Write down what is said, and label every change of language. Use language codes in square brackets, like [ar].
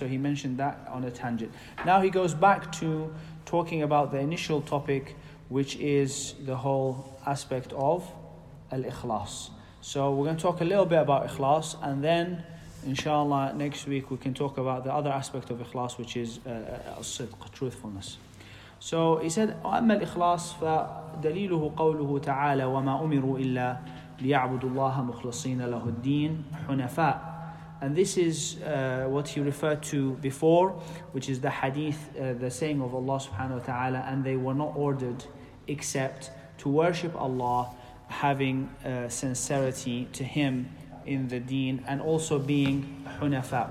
[en] So he mentioned that on a tangent. Now he goes back to talking about the initial topic, which is the whole aspect of al-ikhlas. So we're going to talk a little bit about ikhlas, and then inshallah next week we can talk about the other aspect of ikhlas, which is as-sidq, truthfulness. So he said, [ar] "أَمَّا الْإِخْلَاصُ فَدَلِيلُهُ قَوْلُهُ تَعَالَى وَمَا أُمِرُوا إِلَّا لِيَعْبُدُ اللَّهَ مُخْلَصِينَ لَهُ الدِّينَ حُنَفَاءَ." [en] And this is what he referred to before, which is the hadith, the saying of Allah subhanahu wa ta'ala, "And they were not ordered except to worship Allah, having sincerity to Him in the deen, and also being hunafa."